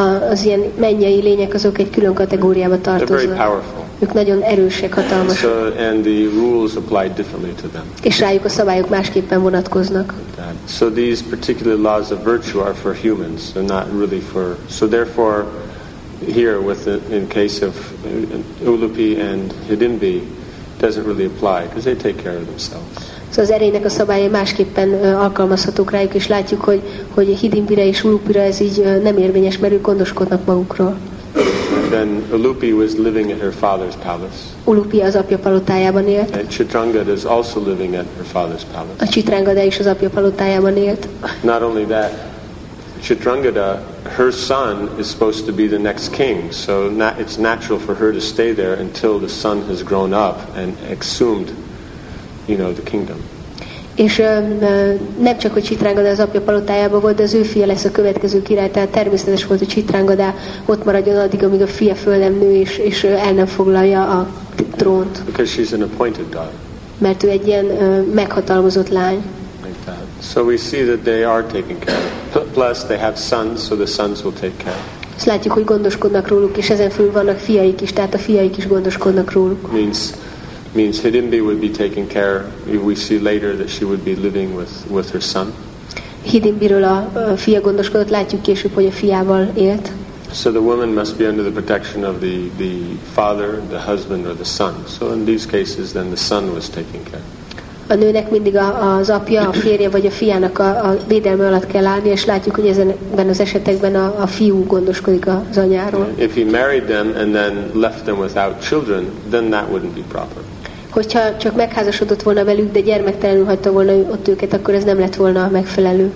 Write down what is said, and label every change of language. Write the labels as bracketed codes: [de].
[hu] Az ilyen mennyei lények, azok egy külön kategóriába tartoznak. [en] They're very powerful. [hu] Ők nagyon erősek, hatalmasak. [en] So, and the rules apply differently to them. [hu] És rájuk a szabályok másképpen vonatkoznak. [en] So these particular laws of virtue are for humans, they're not really for... So therefore, here, in case of Ulupi and Hidimbi, doesn't really apply because they take care of themselves. [hu] So az erénynek a szabályai másképpen alkalmazhatók rájuk, és látjuk, hogy Hidimbire és Ulupira ez így nem érvényes, mert ők gondoskodnak magukról. [en] Then Ulupi was living at her father's palace. [hu] Ulupi az apja palotájában élt. [en] And Chitrangada is also living at her father's palace. [hu] A Chitrangada is az apja palotájában élt. [en] Not only that, Chitrangada, her son is supposed to be the next king, so it's natural for her to stay there until the son has grown up and exhumed, you know, the kingdom. [hu] És nem csak, hogy Chitrangada az apja palotájában volt, de az ő fia lesz a következő király, tehát természetes volt, hogy Chitrangada ott maradjon addig, amíg a fia föl nem nő, és el nem foglalja a trónt. [en] Because she's an appointed daughter. [hu] Mert ő egy ilyen meghatalmazott lány. [en] So we see that they are taken care of. Plus they have sons, so the sons will take care. [hu] Azt látjuk, hogy gondoskodnak róluk, és ezen fölül vannak fiaik is, tehát a fiaik is gondoskodnak róluk. [en] Means Hidimbi would be taken care. We see later that she would be living with her son. [hu] Hidimbiről a fia gondoskodott, látjuk később, hogy a fiával élt. [en] So the woman must be under the protection of the father, the husband, or the son. So in these cases, then the son was taken care. [hu] a nőnek mindig az apja, a férje vagy a fiának a védelme alatt kell állni, és látjuk, hogy ezekben az esetekben a fiú gondoskodik az anyáról. [en] If he married them and then left them without children, then that wouldn't be proper. [hu] Hogyha csak megházasodott volna velük, de gyermektelenül hagyta volna ott őket, akkor ez nem lett volna megfelelő.